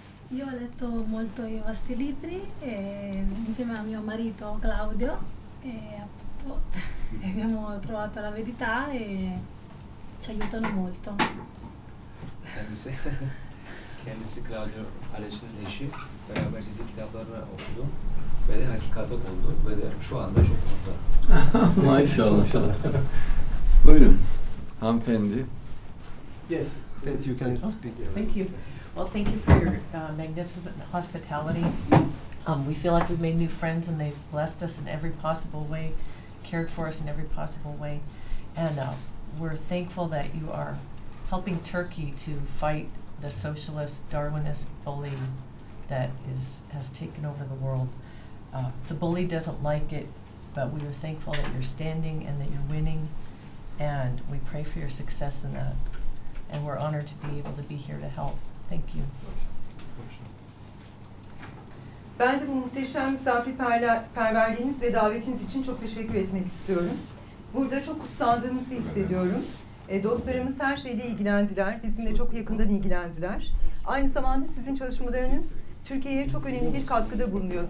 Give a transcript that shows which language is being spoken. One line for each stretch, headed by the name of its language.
Italian: Io ho letto molto i vostri libri insieme a mio marito Claudio e abbiamo trovato la verità e ci aiutano molto.
Turkish: Kendisi, kendisi Claudio Alessio'nun eşi, beraber çizgi kitaplarını okudu ve de hakikate kondu ve de şu anda çok mutlu. Maşallah. Buyurun, hanımefendi.
English: Yes. Beth, you can speak. Thank you. Well, thank you for your magnificent hospitality. We feel like we've made new friends and they've blessed us in every possible way, cared for us in every possible way. And we're thankful that you are helping Turkey to fight the socialist, Darwinist bully that has taken over the world. The bully doesn't like it, but we are thankful that you're standing and that you're winning. And we pray for your success in that. And we're honored to be able to be here to help. Thank you.
Turkish: Ben de bu muhteşem misafirperverliğiniz ve davetiniz için çok teşekkür etmek istiyorum. Burada çok kutsandığımızı hissediyorum. Dostlarımız her şeyle ilgilendiler, bizimle çok yakından ilgilendiler. Aynı zamanda sizin çalışmalarınız Türkiye'ye çok önemli bir katkıda bulunuyor.